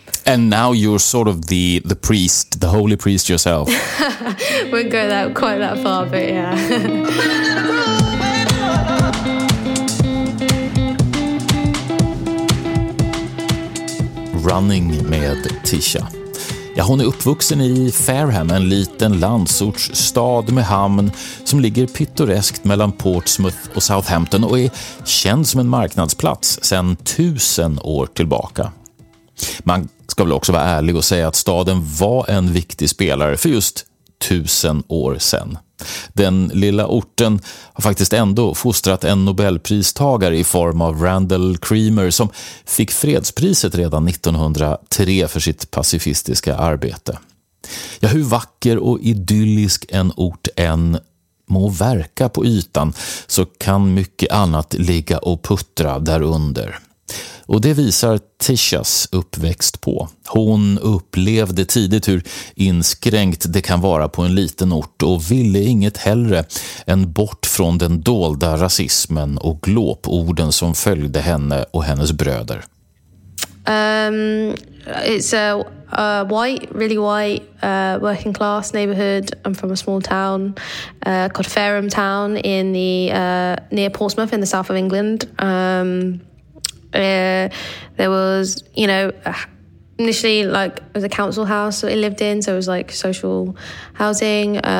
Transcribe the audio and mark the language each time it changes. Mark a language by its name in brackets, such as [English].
[English] And now you're sort of the priest, the holy priest yourself. Won't go that quite that far, but yeah. Running [Swedish] med Tsha. Ja, hon är uppvuxen i Fareham, en liten landsortsstad med hamn som ligger pittoreskt mellan Portsmouth och Southampton och är känd som en marknadsplats sedan 1000 år tillbaka. Man ska väl också vara ärlig och säga att staden var en viktig spelare för just 1000 år sedan. Den lilla orten har faktiskt ändå fostrat en Nobelpristagare i form av Randall Creamer, som fick fredspriset redan 1903 för sitt pacifistiska arbete. Ja, hur vacker och idyllisk en ort än må verka på ytan, så kan mycket annat ligga och puttra därunder. Och det visar Tishas uppväxt på. Hon upplevde tidigt hur inskränkt det kan vara på en liten ort och ville inget hellre än bort från den dolda rasismen och glåporden som följde henne och hennes bröder. [English] It's a white, really white, working class neighborhood. I'm from a small town called Fareham Town in the near Portsmouth in the south of England. There was, you know, initially like it was a council house that it lived in, so it was like social housing.